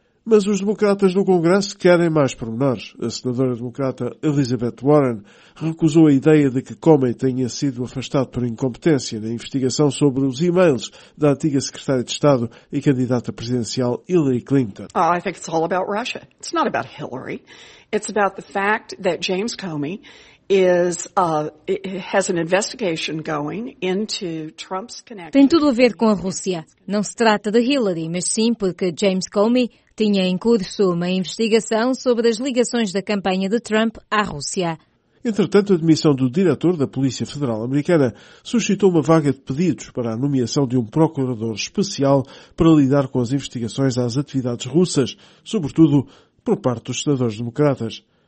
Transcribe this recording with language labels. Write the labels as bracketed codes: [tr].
[pt] Mas os democratas do Congresso querem mais pormenores. A senadora democrata Elizabeth Warren recusou a ideia de que Comey tenha sido afastado por incompetência na investigação sobre os e-mails da antiga secretária de Estado e candidata presidencial Hillary Clinton. [en] Oh, I think it's all about Russia. It's not about Hillary. It's about the fact that James Comey has an investigation going into Trump's connection. [pt] Tem tudo a ver com a Rússia. Não se trata de Hillary, mas sim porque James Comey tinha em curso uma investigação sobre as ligações da campanha de Trump à Rússia. Entretanto, a demissão do diretor da Polícia Federal Americana suscitou uma vaga de pedidos para a nomeação de um procurador especial para lidar com as investigações às atividades russas, sobretudo por parte dos senadores democratas.